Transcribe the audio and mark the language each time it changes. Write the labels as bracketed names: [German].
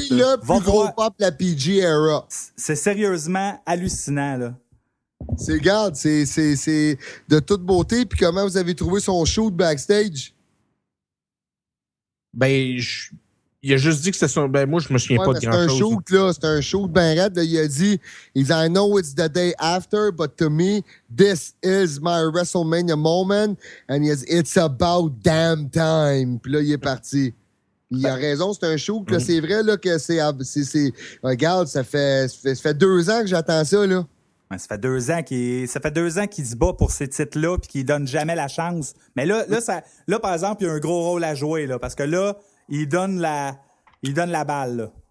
[French] C'est le plus gros pop de la PG era. C'est sérieusement hallucinant, là. C'est, regarde, c'est de toute beauté. Puis comment vous avez trouvé son show de backstage? Ben, il a juste dit que c'était son... Ben, moi, je me souviens pas de grand-chose. C'est un show de Ben Red. Il a dit, [English] I know it's the day after, but to me, this is my WrestleMania moment. And he said, it's about damn time. [French] Puis là, il est parti. Il a raison, c'est un show. Que, là, c'est vrai là, que c'est regarde, ça fait 2 ans que j'attends ça. Là. Ouais, ça fait deux ans qu'il se bat pour ces titres-là et qu'il donne jamais la chance. Mais là, par exemple, il a un gros rôle à jouer là, parce que là, il donne la balle.